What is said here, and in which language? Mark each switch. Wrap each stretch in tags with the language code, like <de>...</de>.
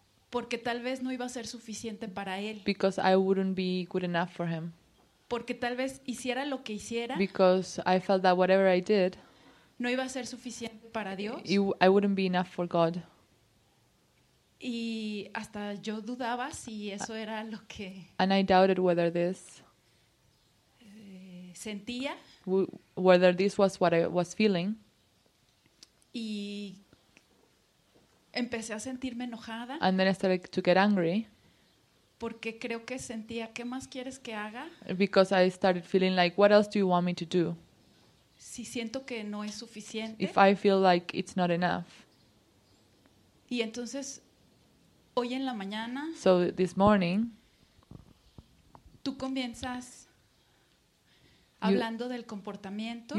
<es>porque tal vez no iba a ser suficiente para él,</es> <en>because I wouldn't be good enough for him,</en> <es>porque tal vez hiciera lo que hiciera,</es> <en>because I felt that whatever I did,</en> <es>no iba a ser suficiente para Dios,</es> <en>I wouldn't be enough for God.</en> <es>Y hasta yo dudaba si eso era lo que,</es> <en>and I doubted whether this,</en> <es>sentía,</es> <en>whether this was what I was feeling.</en> <es>Y empecé a sentirme enojada.</es> <en>And then I started to get angry.</en> <es>Porque creo que sentía, ¿qué más quieres que haga?</es> <en>Because I started feeling like, what else do you want me to do?</en> <es>Si siento que no es suficiente.</es> <en>If I feel like it's not enough.</en> <es>Y entonces, hoy en la mañana,</es> <en>so this morning,</en> <es>tú comienzas, hablando del comportamiento,</es>